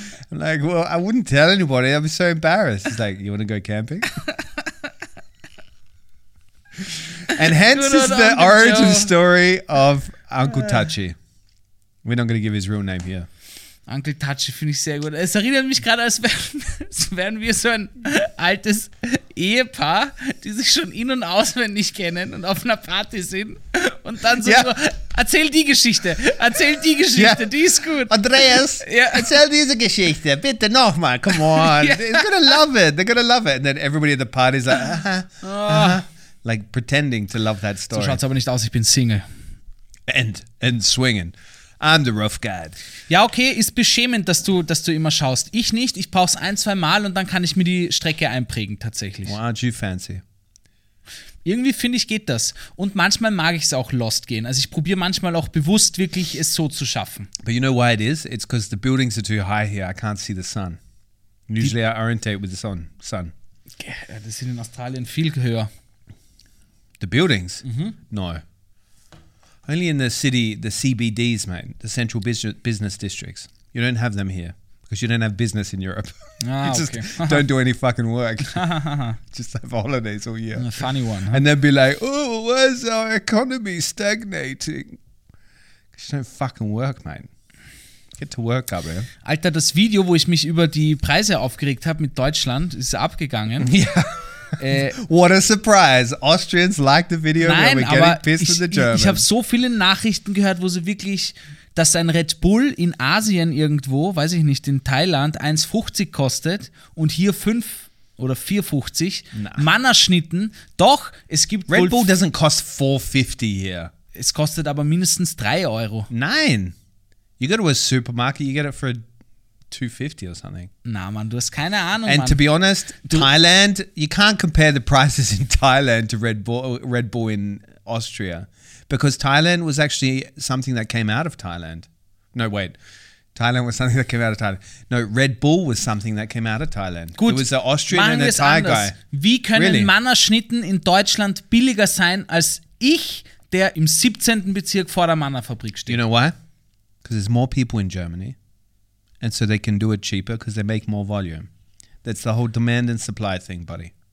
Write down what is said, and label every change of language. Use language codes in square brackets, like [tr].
[en] I'm like, well, I wouldn't tell anybody. I'd be so embarrassed. He's like, you want to go camping? And hence is the origin story of Uncle Touchy. We're not going to give his real name here. [de] Uncle Touchy finde ich sehr gut. Es erinnert mich gerade, als wären wir so ein altes Ehepaar, die sich schon in- und auswendig kennen und auf einer Party sind. Und dann so, yeah. erzähl die Geschichte, yeah. Die ist gut. Andreas, yeah. Erzähl diese Geschichte, bitte nochmal, come on. Yeah. [en] They're gonna love it. And then everybody at the party is like, uh-huh, uh-huh. Like pretending to love that story. [de] So schaut's aber nicht aus, ich bin Single. [en] And swinging. I'm the rough guy. [de] Ja, okay, ist beschämend, dass du immer schaust. Ich nicht, ich brauch's ein, zwei Mal und dann kann ich mir die Strecke einprägen, tatsächlich. [en] Well, aren't you fancy? [de] Irgendwie finde ich, geht das. Und manchmal mag ich es auch lost gehen. Also ich probiere manchmal auch bewusst wirklich es so zu schaffen. [en] But you know why it is? It's because the buildings are too high here. I can't see the sun. Usually I orientate with the sun. [de] Ja, das sind in Australien viel höher. [en] The buildings? Mm-hmm. No. Only in the city, the CBDs, mate, the central business districts. You don't have them here because you don't have business in Europe. Ah, you just okay. Don't do any fucking work. Just have holidays all year. A funny one. Huh? And then be like, oh, where's our economy stagnating? Because you don't fucking work, mate. Get to work, Gabriel. [de] Alter, das Video, wo ich mich über die Preise aufgeregt habe mit Deutschland, ist abgegangen. [en] Ja. Yeah. What a surprise. Austrians like the video. [de] Nein, [en] where we're getting pissed with the Germans. [de] Ich habe so viele Nachrichten gehört, wo sie wirklich, dass ein Red Bull in Asien irgendwo, weiß ich nicht, in Thailand 1,50 kostet und hier 5 oder 4,50. Mannerschnitten, doch, es gibt [en] Red Bull doesn't cost 4,50 hier. [de] Es kostet aber mindestens 3 Euro. Nein. [en] You go to a supermarket, you get it for 2,50 or something. [de] Na, Mann, du hast keine Ahnung, [en] And [de] Mann. [en] To be honest, Thailand, you can't compare the prices in Thailand to Red Bull in Austria. Because Thailand was actually something that came out of Thailand. No, wait. Thailand was something that came out of Thailand. No, Red Bull was something that came out of Thailand. [de] Gut. [en] It was an Austrian and a Thai guy. [de] Wie können really? Mannerschnitten in Deutschland billiger sein als ich, der im 17. Bezirk vor der Mannerfabrik steht? [en] You know why? Because there's more people in Germany. And so they can do it cheaper because they make more volume. That's the whole demand and supply thing, buddy.